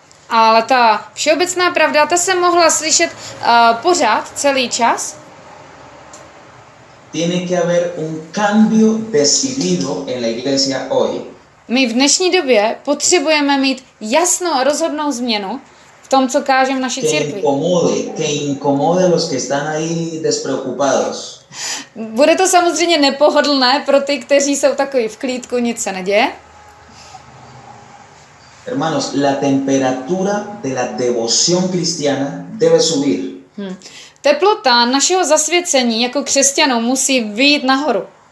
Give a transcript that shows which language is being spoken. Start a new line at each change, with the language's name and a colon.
Czech: Ale ta všeobecná pravda, ta se mohla slyšet pořád, celý čas.
Spanish: Tiene que haber un cambio decidido en la iglesia hoy.
Czech: My v dnešní době potřebujeme mít jasnou a rozhodnou změnu v tom, co kážeme v naší církvi.
Spanish: Que incomode los que están ahí despreocupados.
Czech: Bude to samozřejmě nepohodlné pro ty, kteří jsou takový v klídku, nic se neděje.
Spanish: Hermanos, la temperatura de la devoción cristiana debe subir.
Czech: Teplota našeho zasvěcení jako křesťanů musí vyjít nahoru.